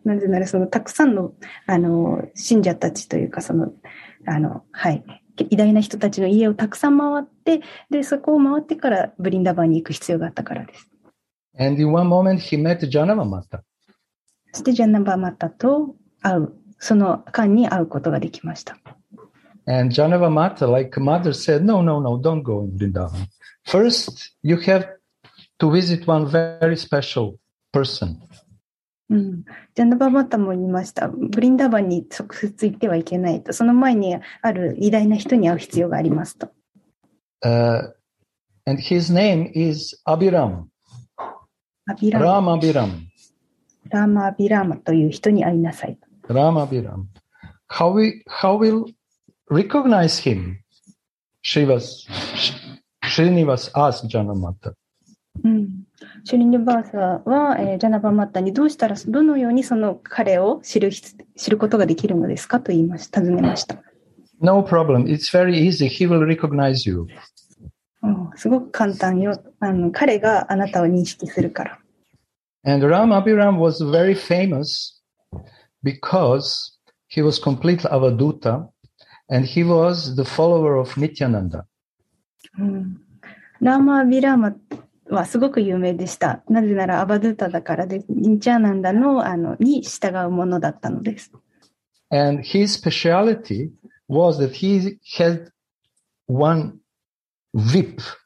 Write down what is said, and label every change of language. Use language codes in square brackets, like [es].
[ja] なぜならそのたくさん の信者たちというかはい、偉大な人たちの家をたくさん回ってでそこを回ってからブリンダバンに行く必要があったからです。 [en] And in one moment he met Janava Mata. [ja] そしてジャナバマタと会うその間に会うことができました。 [en] And Janava Mata, like mother, said, no, don't go in Vrindavan. First, you have to visit one very special person. [ja] ジャナバマタも言いました。ブリンダーバンに直接行ってはいけないと。その前にある偉大な人に会う必要がありますと。 [en] And his name is Abiram. [ja] Ramabiram. Ramabiram という人に会いなさいと。 [en] Ramabiram. How will recognize him? Srinivas asked Janamata. [ja] Srinivas は Janabamata にどうしたらどのようにその彼を知ることができるのですかと言いました。尋ねました。 [en] No problem. It's very easy. He will recognize you. [ja] すごく簡単よ。彼があなたを認識するから。 [en] And Ramabiram was very famous because he was complete avaduta and he was the follower of Nityananda. [ja] Ramabiram はすごく有名でした。なぜならアバドゥタだからで、ニチャナンダの、に従うものだったのです。 [en] And his speciality was that he had one whip.